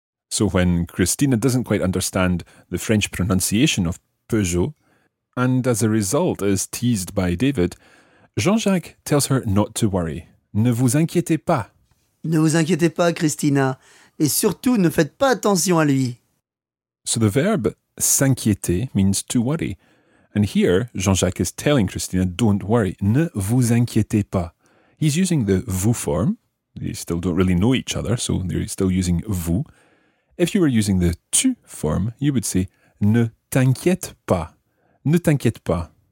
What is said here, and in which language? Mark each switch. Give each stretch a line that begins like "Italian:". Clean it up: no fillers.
English: So, when Christina doesn't quite understand the French pronunciation of Peugeot, and as a result is teased by David, Jean-Jacques tells her not to worry.
French: Ne vous inquiétez pas. Ne vous inquiétez pas, Christina. Et surtout, ne faites pas attention à lui.
English: So the verb s'inquiéter means to worry. And here, Jean-Jacques is telling Christina, don't worry,
French: ne vous inquiétez pas.
English: He's using the vous form. They still don't really know each other, so they're still using vous. If you were using the tu form, you would say,
French: ne t'inquiète pas. Ne t'inquiète pas.